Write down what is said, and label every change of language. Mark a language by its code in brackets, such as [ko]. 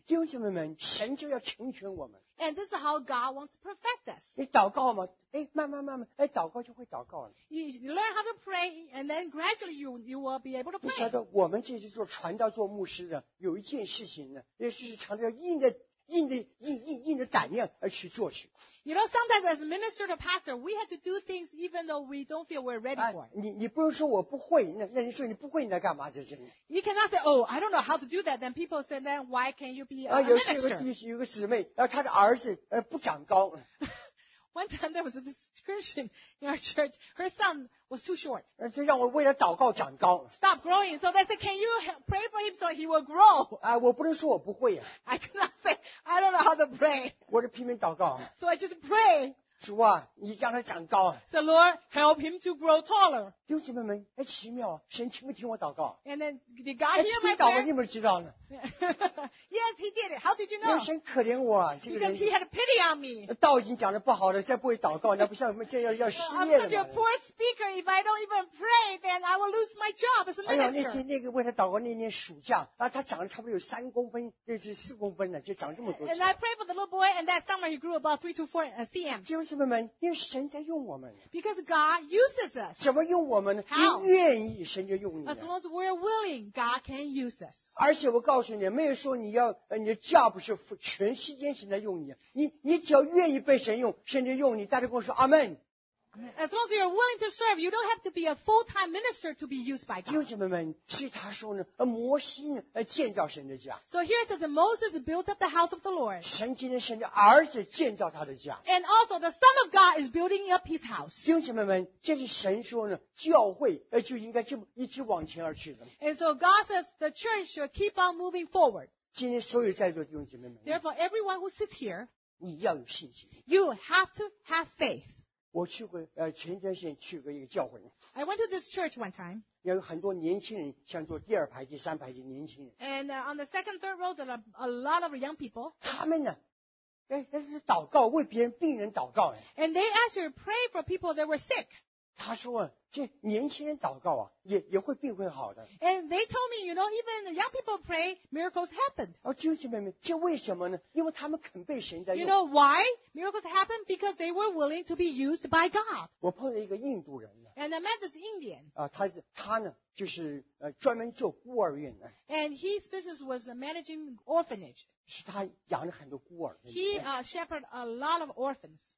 [zh] 弟兄姐妹们神就要成全我们 [en] And this is how God wants to perfect us [zh] 你祷告吗哎，慢慢慢慢，哎，祷告就会祷告了。 [en] You learn how to pray, and then gradually you will be able to pray. [zh] 你晓得我们这些做传道、做牧师的，有一件事情呢，也是常常要印在应着胆量而去做事。 [en] You know, sometimes as minister to pastor, we have to do things even though we don't feel we're ready for it. [zh] 你不用说我不会， 那你说你不会你在干嘛就行。 [en] You cannot say, oh, I don't know how to do that. Then people say, then why can't you be a minister? [zh] 有个姊妹， 她的儿子， 不长高。 [en] One time there was a Christian in our church. Her son was too short. [zh] 让我为了祷告长高。 [en] Stop growing. So they said, can you pray for him so he will grow? [zh] 我不能说我不会。 [en] I cannot say, I don't know how to pray. [zh] 我就拼命祷告。 [en] So I just pray. [zh] 主啊， 你让他长高。 [en] So Lord, help him to grow taller. [zh] 弟兄姐妹们， 奇妙， 神听不听我祷告？ [en] And then, did God hear my prayer? [zh] 听祷告你们知道呢。 [en] Yes, he did it. How did you know? [zh] 神可怜我， 这个人， [en] because he had pity on me. [zh] 道已经讲得不好了， 再不会祷告， 那不像我们这样要失业了。 [en] I'm such a poor speaker. If I don't even pray, then I will lose my job as a minister. [zh] 那天为他祷告那年暑假， 他长得差不多有3公分， 就是4公分了， 就长这么多。 [en] And I prayed for the little boy, and that summer he grew about 3 to 4 cm. [zh] 弟兄姐妹们， 因为神在用我们。 [en] Because God uses us. [zh] 怎么用我们呢？ [en] How? [zh] 你愿意， 神就用你。 [en] As long as we're willing, God can use us. [zh] 而且我告诉你， 没有说你要， 你的job是全时间神在用你。你只要愿意被神用， 神就用你。大家跟我说， Amen。 [en] As long as you're willing to serve, you don't have to be a full-time minister to be used by God. [zh] 弟兄姐妹们， 是他说呢， 摩西呢， 建造神的家。 [en] So here it says that Moses built up the house of the Lord. [zh] 神今天神的儿子建造他的家。 [en] And also the Son of God is building up his house. [zh] 弟兄姐妹们， 这是神说呢， 教会， 就应该这么一直往前而去的。 [en] And so God says the church should keep on moving forward. [zh] 今天所有在座的弟兄姐妹们， [en] therefore everyone who sits here, [zh] 你要有信心。 [en] You have to have faith. [zh] 我去过，前段时间去过一个教会。 [en] I went to this church one time. [zh] 有很多年轻人，像坐第二排、第三排的年轻人。 [en] And on the second, third rows are a lot of young people. [zh] 他们呢，哎，那是祷告，为别人病人祷告。 [en] And they actually pray for people that were sick. [zh] 他说，这年轻人祷告啊，也会病会好的。 [en] And they told me, you know, even the young people pray, miracles happened. [zh] 弟兄姐妹们，这为什么呢？因为他们肯被神在用。 [en] You know why miracles happened? Because they were willing to be used by God. [zh] 我碰到一个印度人呢。 [en] And I met this Indian. [zh] 他呢，就是专门做孤儿院的。 [en] And his business was managing orphanage. [zh] 是他养了很多孤儿。 [en] He shepherded a lot of orphans.